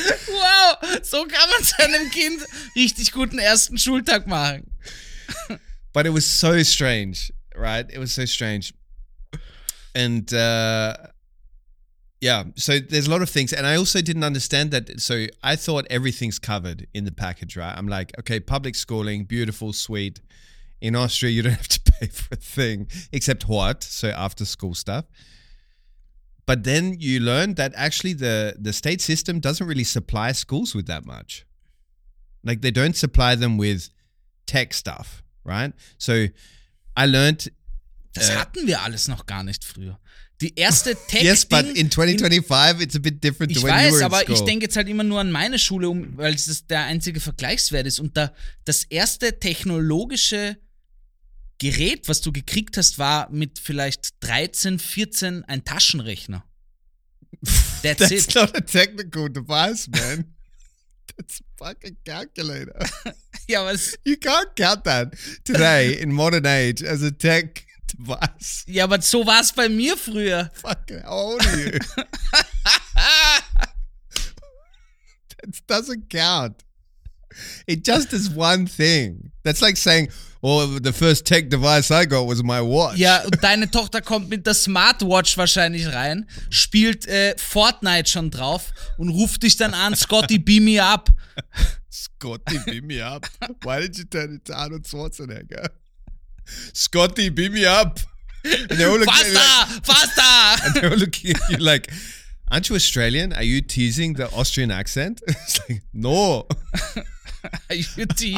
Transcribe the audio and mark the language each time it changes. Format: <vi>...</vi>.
<de>Wow, so kann man seinem Kind richtig guten ersten Schultag machen.</de> <en>But it was so strange, right? It was so strange. And so there's a lot of things. And I also didn't understand that. So I thought everything's covered in the package, right? I'm like, okay, public schooling, beautiful, sweet. In Austria, you don't have to pay for a thing except what? So after school stuff. But then you learn that actually the state system doesn't really supply schools with that much. Like they don't supply them with tech stuff, right? So I learned...</en> <de>Das hatten wir alles noch gar nicht früher. Die erste Tech-Ding...</de> <en>Yes, but in 2025 it's a bit different to when</en> <de>weiß,</de> <en>you were in school.</en> <de>Ich weiß, aber ich denke jetzt halt immer nur an meine Schule, weil es der einzige Vergleichswert ist. Und das erste technologische Gerät, was du gekriegt hast, war mit vielleicht 13, 14 ein Taschenrechner.</de> <en>That's it. Not a technical device, man. That's a fucking calculator.</en> <de>Ja, was?</de> <en>You can't count that today in modern age as a tech device.</en> <de>Ja, aber so war es bei mir früher.</de> <en>Fucking how old are you? That doesn't count. It just is one thing. That's like saying, oh, the first tech device I got was my watch.</en> <de>Ja, und deine Tochter kommt mit der Smartwatch wahrscheinlich rein, spielt Fortnite schon drauf und ruft dich dann an,</de> <en>Scotty, beam me up. Scotty, beam me up? Why did you turn it to Arnold Schwarzenegger? Scotty, beam me up. And they're all looking faster, at you like, faster. And they're all looking at you like, aren't you Australian? Are you teasing the Austrian accent? It's like, no. Are you teasing?</en>